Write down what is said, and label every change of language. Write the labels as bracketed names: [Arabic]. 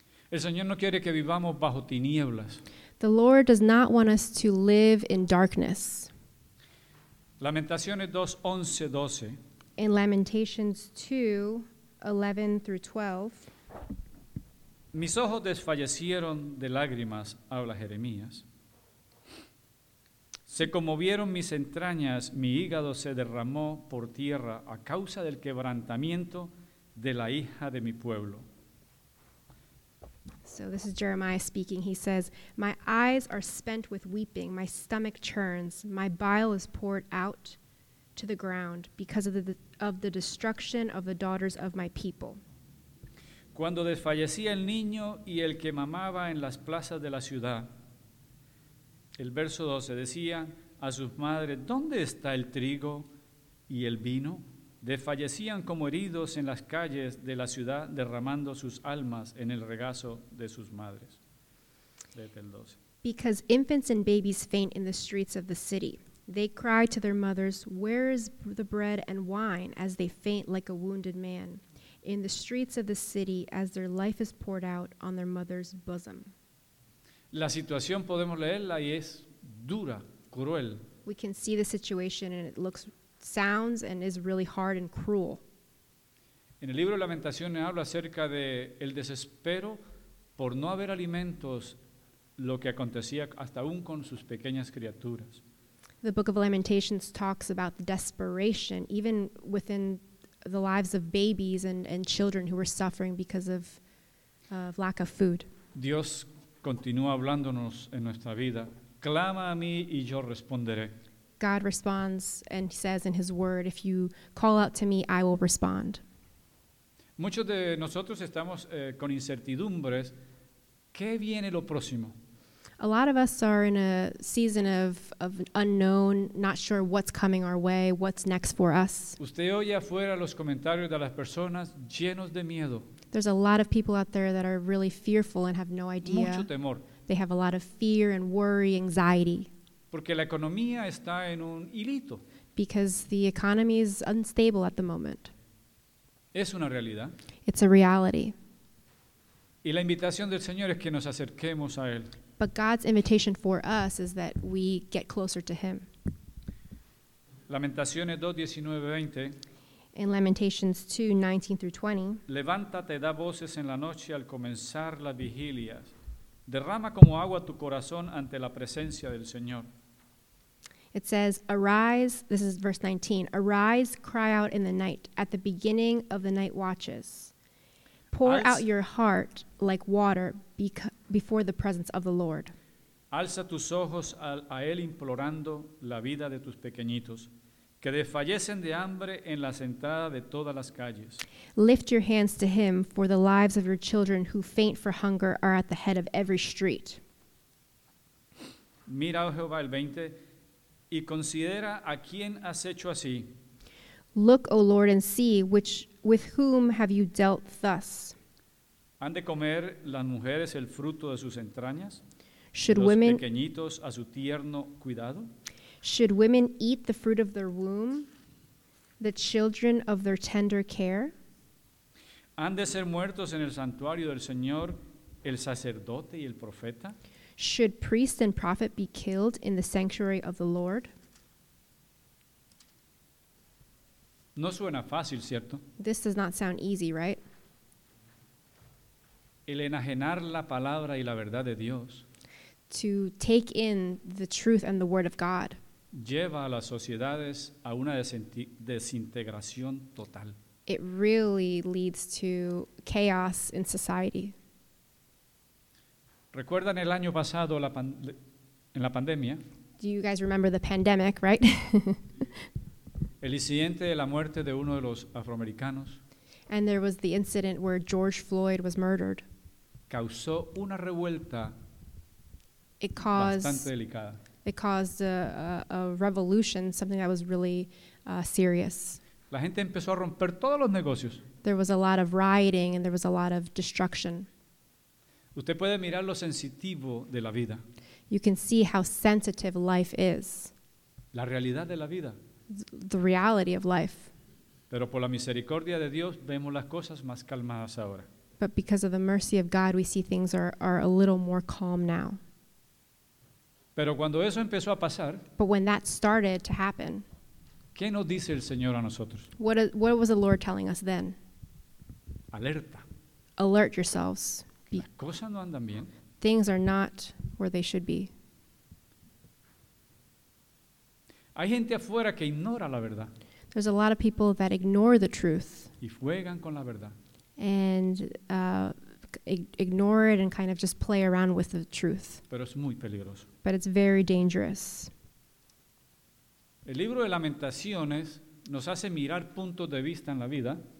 [Spanish] El Señor no quiere que vivamos bajo tinieblas. [English] The Lord does not want us to live in darkness. [Spanish] Lamentaciones 2, 11, 12. [English] In Lamentations 2, 11 through 12. [Spanish] Mis ojos desfallecieron de lágrimas, habla Jeremías. Se conmovieron mis entrañas, mi hígado se derramó por tierra a causa del quebrantamiento de la hija de mi pueblo. [English] So this is Jeremiah speaking. He says, my eyes are spent with weeping, my stomach churns, my bile is poured out to the ground because of the destruction of the daughters of my people. [Spanish] Cuando desfallecía el niño y el que mamaba en las plazas de la ciudad, el verso 12 decía a sus madres, ¿dónde está el trigo y el vino? Desfallecían como heridos en las calles de la ciudad, derramando sus almas en el regazo de sus madres. Léete el 12. [English] Because infants and babies faint in the streets of the city. They cry to their mothers, where is the bread and wine, as they faint like a wounded man in the streets of the city, as their life is poured out on their mother's bosom. [Spanish] La situación podemos leerla y es dura, cruel. [English] We can see the situation and it sounds and is really hard and cruel. [Spanish] En el libro de Lamentaciones habla acerca de el desespero por no haber alimentos, lo que acontecía hasta aún con sus pequeñas criaturas. [English] The Book of Lamentations talks about the desperation even within the lives of babies and children who were suffering because of lack of food. [Spanish] Dios continúa hablándonos en nuestra vida. Clama a mí y yo responderé. [English] God responds and says in his word, if you call out to me, I will respond. [Spanish] Muchos de nosotros estamos con incertidumbres. ¿Qué viene lo próximo? [English] A lot of us are in a season of unknown, not sure what's coming our way, what's next for us. [Spanish] Usted oye afuera los comentarios de las personas llenos de miedo. [English] There's a lot of people out there that are really fearful and have no idea. [Spanish] Mucho temor. [English] They have a lot of fear and worry, anxiety. [Spanish] Porque la economía está en un hilito. [English] Because the economy is unstable at the moment. [Spanish] Es una realidad. [English] It's a reality. [Spanish] Y la invitación del Señor es que nos acerquemos a Él. [English] But God's invitation for us is that we get closer to Him. [Spanish] Lamentaciones 2, 19, 20. [English] In Lamentations 2, 19 through 20. [Spanish] Levántate, da voces en la noche al comenzar las vigilias. Derrama como agua tu corazón ante la presencia del Señor. [English] It says, arise, this is verse 19, arise, cry out in the night, at the beginning of the night watches. Pour out your heart like water before the presence of the Lord. [Spanish] Alza tus ojos a Él implorando la vida de tus pequeñitos, que desfallecen de hambre en las entradas de todas las calles. [English] Lift your hands to him for the lives of your children who faint for hunger are at the head of every street. [Spanish] Mira, oh Jehová, el 20, y considera a quién has hecho así. [English] Look, O Lord, and see with whom have you dealt thus. [Spanish] ¿Han de comer las mujeres el fruto de sus entrañas? [English] Should [Spanish] los [English] women [Spanish] pequeñitos a su tierno cuidado? [English] Should women eat the fruit of their womb, the children of their tender care? [Spanish] ¿Han de ser muertos en el santuario del Señor el sacerdote y el profeta? [English] Should priest and prophet be killed in the sanctuary of the Lord? [Spanish] No suena fácil, ¿cierto? [English] This does not sound easy, right? [Spanish] El enajenar la palabra y la verdad de Dios. [English] To take in the truth and the word of God. [Spanish] Lleva a las sociedades a una desintegración total. [English] It really leads to chaos in society. [Spanish] ¿Recuerdan el año pasado en la pandemia? [English] Do you guys remember the pandemic, right? [Spanish] El incidente de la muerte de uno de los afroamericanos. [English] And there was the incident where George Floyd was murdered. [Spanish] Causó una revuelta. [English] It caused [Spanish] bastante delicada. [English] It caused a revolution, something that was really serious. [Spanish] La gente empezó a romper todos los negocios. [English] There was a lot of rioting and there was a lot of destruction. [Spanish] Usted puede mirar lo sensitivo de la vida. [English] You can see how sensitive life is. [Spanish] La realidad de la vida. [English] The reality of life. [Spanish] Pero por la misericordia de Dios vemos las cosas más calmadas ahora. [English] But because of the mercy of God, we see things are a little more calm now. [Spanish] Pero cuando eso empezó a pasar, [English] but when that started to happen, [Spanish] ¿qué nos dice el Señor a nosotros? [English] What was the Lord telling us then? [Spanish] Alerta. [English] Alert yourselves. [Spanish] Las cosas no andan bien. [English] Things are not where they should be. [Spanish] Hay gente afuera que ignora la verdad. [English] There's a lot of people that ignore the truth. [Spanish] Y juegan con la verdad. [English] And ignore it and kind of just play around with the truth. [Spanish] Pero es muy peligroso. [English] But it's very dangerous. [Spanish] El libro de Lamentaciones nos hace mirar puntos de vista en la vida.